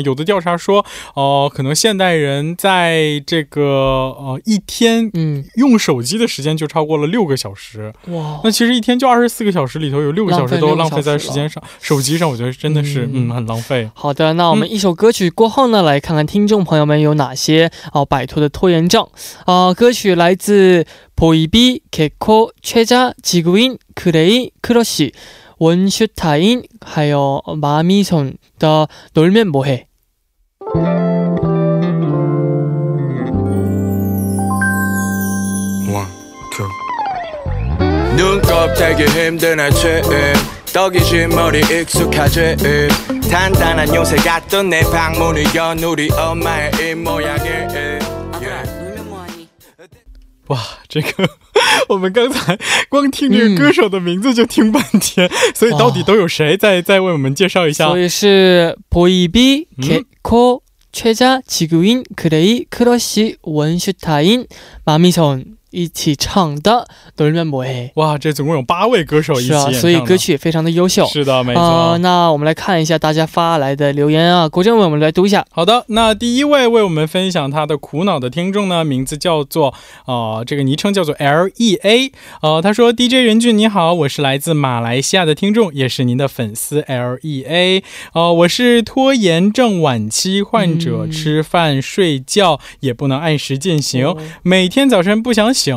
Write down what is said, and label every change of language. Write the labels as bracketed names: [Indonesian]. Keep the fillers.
[Chinese] 有的调查说，哦、呃，可能现代人在这个呃一天，嗯，用手机的时间就超过了六个小时。哇、嗯，那其实一天就二十四个小时里头有六个小时都浪费在时间上、手机上，我觉得真的是嗯、嗯、很浪费。好的，那我们一首歌曲过后呢，嗯、来看看听众朋友们有哪些啊、呃、摆脱的拖延症啊、呃。歌曲来自。 [Korean] 보이비, 개코, 최자, 지구인, 그레이, 크러쉬, 원슈타인, 하여, 마미손, 더, 놀면 뭐해. 눈껍데기 힘든 아침 떡이지 머리 익숙하지 단단한 요새 같던 내 방문을 연 우리 엄마의 입모양이 [Chinese] 와这个， 我们刚才光听这个歌手的名字就听半天，嗯、所以到底都有谁？再再为我们介绍一下。所以是 Bobby、 g e c o 최자지구 인、 Gray、c r s 원슈타 인、 마미 선。一起唱的都是《漫步》哎，哇，这总共有八位歌手一起是、啊，所以歌曲也非常的优秀。是的，没错、呃。那我们来看一下大家发来的留言啊，郭政伟，我们来读一下。好的，那第一位为我们分享他的苦恼的听众呢，名字叫做啊、呃，这个昵称叫做 L E A 呃，他说：“DJ 任俊，你好，我是来自马来西亚的听众，也是您的粉丝 L E A 呃，我是拖延症晚期患者，吃饭、嗯、睡觉也不能按时进行，哦、每天早晨不想醒。